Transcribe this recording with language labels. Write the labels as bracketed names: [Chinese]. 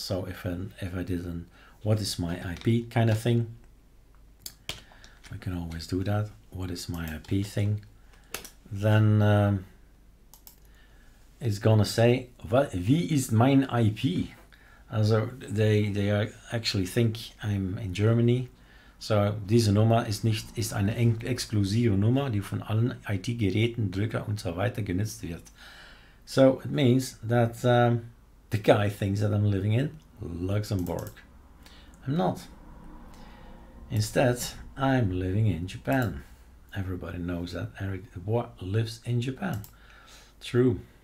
[English] So if I didn't, what is my IP kind of thing? We can always do that. What is my IP thing? Then it's gonna say, what is my IP? As they are actually think I'm in Germany. [German] So diese Nummer ist eine exklusive Nummer, die von allen IT-Geräten, Drucker und so weiter genutzt wird. [English] So it means that the guy thinks that I'm living in Luxembourg. I'm not. Instead, I'm living in Japan. Everybody knows that Eric Dubois lives in Japan. True.